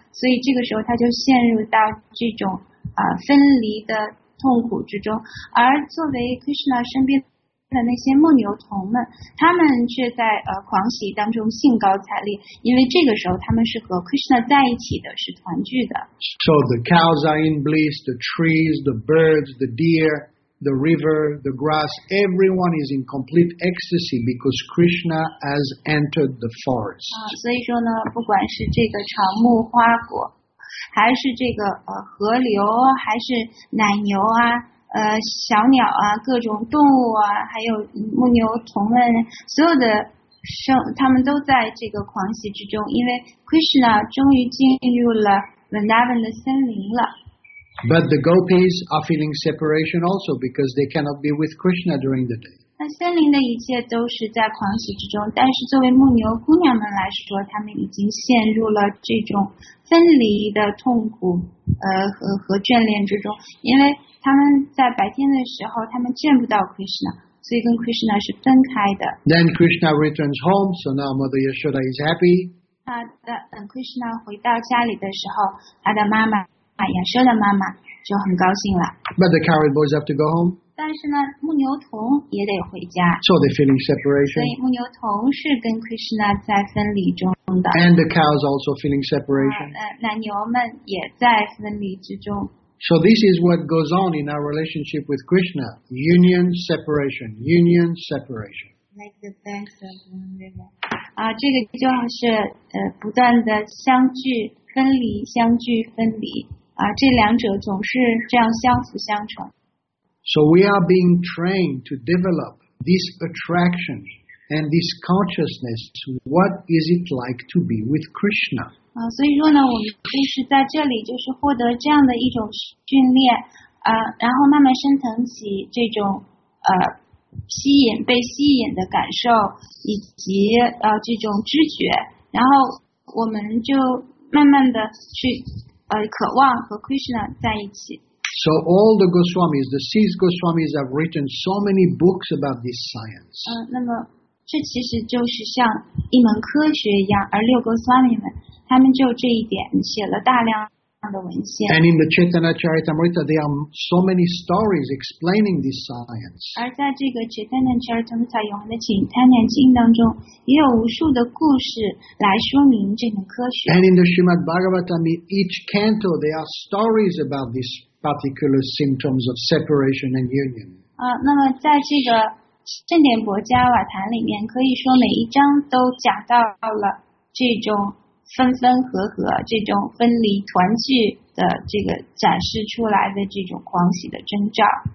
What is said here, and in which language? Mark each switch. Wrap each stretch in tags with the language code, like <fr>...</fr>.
<zh>所以这个时候他就陷入到这种分离的痛苦之中，而作为 Krishna 身边的那些牧牛童们，他们却在狂喜当中兴高采烈，因为这个时候他们是和 Krishna 在一起的，是团聚的。</zh> <en>So the cows are in bliss, the trees, the birds, the deer, the river, the grass, everyone is in complete ecstasy because Krishna has entered the forest.</en> <zh>所以说呢，不管是这个草木花果，还是这个河流，还是奶牛啊，小鸟啊，各种动物啊，还有牧牛童们，所有的生，他们都在这个狂喜之中，因为 Krishna 终于进入了 Vrindavan 的森林了。</zh> <en>But the gopis are feeling separation also because they cannot be with Krishna during the day.</en> <zh>那森林的一切都是在狂喜之中，但是作为牧牛姑娘们来说，她们已经陷入了这种分离的痛苦，和眷恋之中，因为她们在白天的时候，她们见不到 Krishna， 所以跟 Krishna 是分开的。</zh> <en>Then Krishna returns home, so now Mother Yashoda is happy.</en> <zh>等 Krishna 回到家里的时候，她的妈妈。 Yashoda 妈妈就很高兴了。</zh> <en>But the coward boys have to go home.</en> <zh>但是呢，牧牛童也得回家。</zh> <en>So they're feeling separation.</en> <zh>所以牧牛童是跟 Krishna 在分离中的。</zh> <en>And the cows also feeling separation.</en> <zh>奶牛们也在分离之中。</zh> <en>So this is what goes on in our relationship with Krishna: union, separation, union, separation. Like the banks of one river.</en> <zh>这个就是不断的相聚。分离，相聚，分离，这两者总是这样相辅相成。</zh> <en>So we are being trained to develop this attraction and this consciousness. What is it like to be with Krishna?</en> <zh>所以说呢，我们就是在这里，就是获得这样的一种训练，然后慢慢升腾起这种吸引、被吸引的感受，以及这种知觉，然后我们就。慢慢的去渴望和 Krishna 在一起。</zh> <en>So all the Goswamis, the six Goswamis have written so many books about this science.</en> <zh>那么这其实就是像一门科学一样，而六 Goswami 们他们就这一点写了大量</zh> <en>And in the Chaitanya Charitamrita, there are so many stories explaining this science.</en> <zh>而在这个 Chaitanya Charitamrita 永恒的经坛念经当中，也有无数的故事来说明这门科学。</zh> <en>And in the Srimad Bhagavatam, each canto, there are stories about these particular symptoms of separation and union.</en> <zh>那么在这个正典薄伽瓦坛里面，可以说每一章都讲到了这种。分分合合，这种分离团聚的这个展示出来的这种狂喜的征兆。</zh>